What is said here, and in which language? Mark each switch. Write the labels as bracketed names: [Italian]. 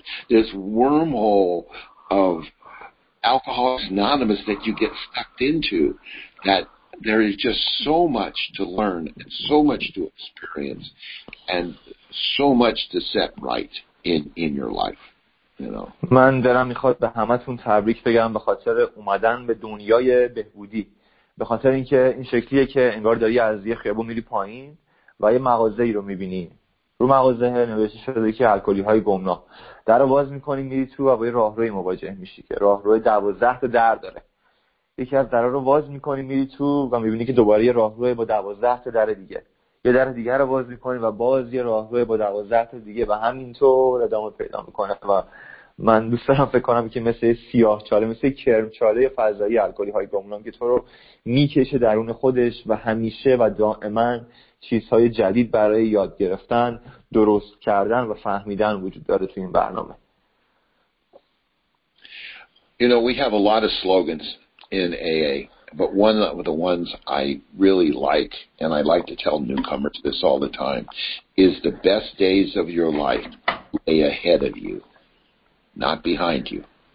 [English] This wormhole of Alcoholics Anonymous that you get sucked into, that there is just so much to learn and so much to experience and so much to set right in your life. [Persian] من دارم میخواد به همتون تبریک بگم به خاطر اومدن به دنیای بهبودی، به خاطر اینکه این شکلیه که انگار داری از یه خیابون میری پایین و یه مغازه‌ای رو میبینی، رو مغازه نوشته شده که الکلی‌های گمنام، در رو باز میکنی میری تو و با یه راه روی مواجه میشی که راه روی 12 تا در داره. یکی از درها رو باز میکنی میری تو و میبینی که دوباره یه راه روی با 12 تا در دیگه، یه در دیگه رو باز می‌کنی و باز یه راهروی با 12 تا دیگه و همینطور ادامه پیدا می‌کنه. و من دوست دارم فکر کنم که مثل سیاه چاله، مثل کرم چاله فضایی الکلی‌های گمنام که تو رو می‌کشه درون خودش و همیشه و دائما چیزهای جدید برای یاد گرفتن، درست کردن و فهمیدن وجود داره تو این برنامه. [English] You know, we have a lot of slogans in AA. But one of the ones I really like, and I like to tell newcomers this all the time, is the best days of your life lay ahead of you, not behind you.